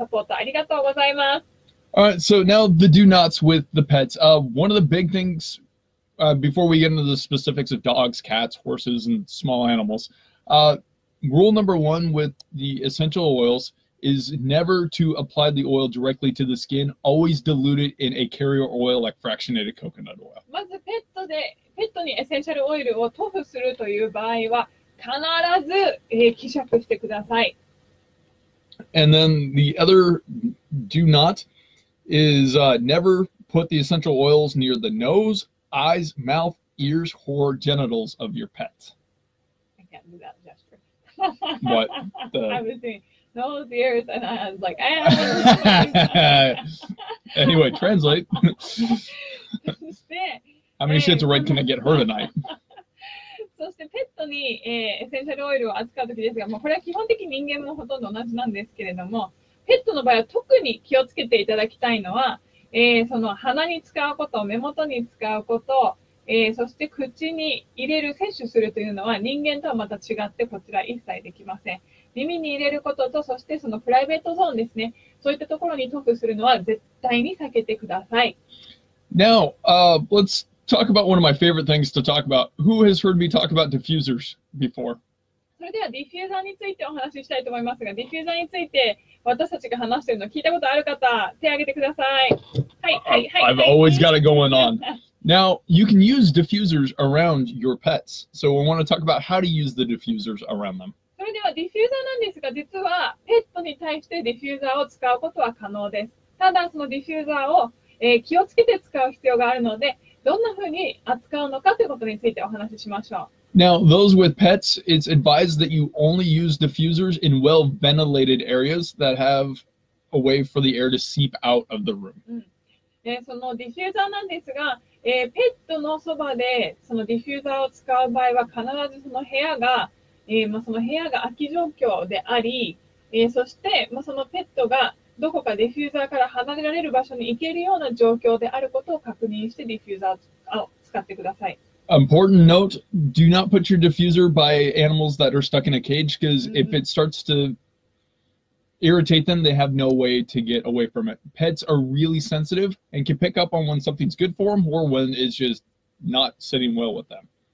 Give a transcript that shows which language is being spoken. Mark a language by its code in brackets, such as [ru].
[en] All right, so now the do nots with the pets. One of the big things, before we get into the specifics of dogs, cats, horses, and small animals, rule number one with the essential oils is never to apply the oil directly to the skin. Always dilute it in a carrier oil like fractionated coconut oil. [ja] まずペットにエッセンシャルオイルを塗布するという場合は必ず、希釈してください。 [en] And then the other do not is never put the essential oils near the nose, eyes, mouth, ears, or genitals of your pet. I can't do that gesture. What? I was doing those ears. And I was like, I have one. Anyway, translate. How many shits of red can I get her tonight? [ja] そしてペットに、エッセンシャルオイルを扱うときですが、もうこれは基本的に人間もほとんど同じなんですけれども、ペットの場合は特に気をつけていただきたいのは、その鼻に使うこと、目元に使うこと、そして口に入れる、摂取するというのは人間とはまた違ってこちら一切できません。耳に入れることと、そしてそのプライベートゾーンですね、そういったところに特化するのは絶対に避けてください。 [en] Now, let's talk about one of my favorite things to talk about. Who has heard me talk about diffusers before? [ja] それではディフューザーについてお話ししたいと思いますが、ディフューザーについて私たちが話しているのを聞いたことある方、手を挙げてください。はい、はい、はい。 [en] I've always got it going on. Now, you can use diffusers around your pets. So we want to talk about how to use the diffusers around them. [ja] それではディフューザーなんですが、実はペットに対してディフューザーを使うことは可能です。ただそのディフューザーを気をつけて使う必要があるので、どんなふうに扱うのかということについてお話ししましょう。 [en] Now, those with pets, it's advised that you only use diffusers in well-ventilated areas that have a way for the air to seep out of the room.、 [ja] うん、そのディフューザーなんですが、ペットのそばでそのディフューザーを使う場合は必ずその部屋が、その部屋が空き状況であり、そして、そのペットがどこかディフューザーから離れられる場所に行けるような状況であることを確認してディフューザーを使ってください。 [en] Important note, do not put your diffuser by animals that are stuck in a cage because、mm-hmm. if it starts to irritate them, they have no way to get away from it. Pets are really sensitive and can pick up on when something's good for them or when it's just not sitting well with them.